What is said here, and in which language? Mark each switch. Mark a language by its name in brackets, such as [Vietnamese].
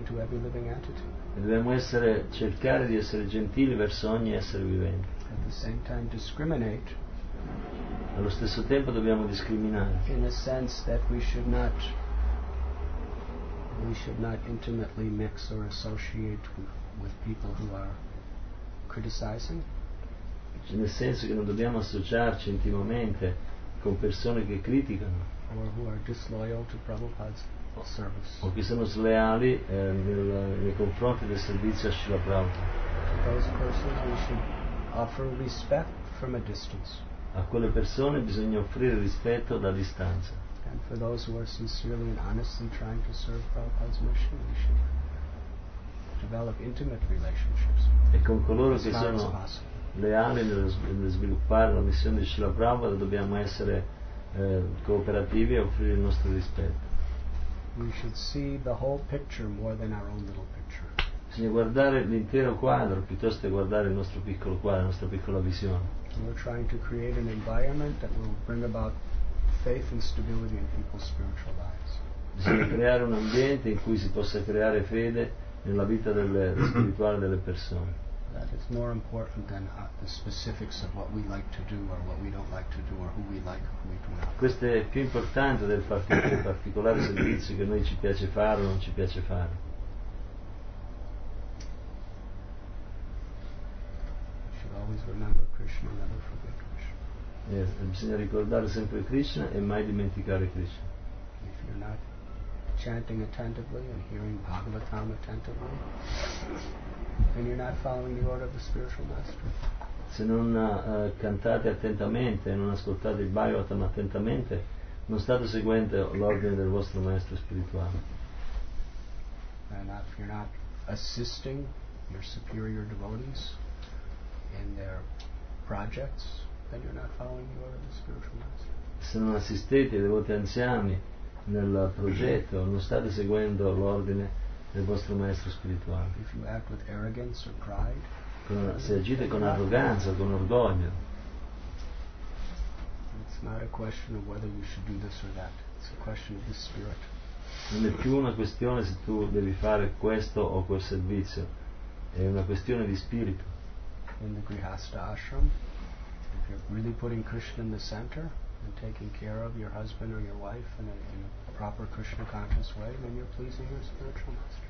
[Italian] Dobbiamo cercare di essere gentili verso ogni essere vivente. [English] At the same time discriminate. [Italian] Allo stesso tempo dobbiamo discriminare. [English] In the sense that we should not intimately mix or associate with people who are criticizing. [Italian] Nel senso che non dobbiamo associarci intimamente con persone che criticano [English] or who are disloyal to Prabhupada's service. [Italian] O che sono sleali nei confronti del servizio a Srila Prabhupada. [English] To those persons we should offer respect from a distance. [Italian] A quelle persone bisogna offrire rispetto da distanza. [English] And for those who are sincerely and honestly trying to serve Prabhupada's mission, we should develop intimate relationships. [Italian] E con coloro che sono leali nello sviluppare la missione di Srila Prabhupada dobbiamo essere cooperativi e offrire il nostro rispetto. [English] We should see the whole picture more than our own little picture. [Italian] Bisogna guardare l'intero quadro piuttosto che guardare il nostro piccolo quadro, la nostra piccola visione. [English] We're trying to create an environment that will bring about faith and stability in people's spiritual lives. [Italian] Bisogna creare un ambiente in cui si possa creare fede nella vita delle, spirituale delle persone. [English] That is more important than the specifics of what we like to do or what we don't like to do or who we like or who we do not. [Italian] Questo è più importante del particolare servizio che noi ci piace fare o non ci piace fare. [English] We should always remember Krishna, never forget Krishna. [Italian] Yes, bisogna ricordare sempre Krishna e mai dimenticare Krishna. [English] If you're not chanting attentively and hearing Bhagavatam attentively, and you're not following the order of the spiritual master. [Italian] Se non cantate attentamente e non ascoltate il Bhagavatam attentamente, non state seguendo l'ordine del vostro maestro spirituale. [English] And if you're not assisting your superior devotees in their projects, then you're not following the order of the spiritual master. [Italian] Se non assistete ai devoti anziani nel progetto, non state seguendo l'ordine del vostro maestro spirituale. [English] If you act with arrogance or pride, [Italian] se agite con arroganza, con orgoglio, [English] it's not a question of whether you should do this or that. It's a question of the spirit. [Italian] Non è più una questione se tu devi fare questo o quel servizio. È una questione di spirito. [English] In the Grihastha ashram, if you're really putting Krishna in the center and taking care of your husband or your wife in a proper Krishna conscious way, then you're pleasing your spiritual master.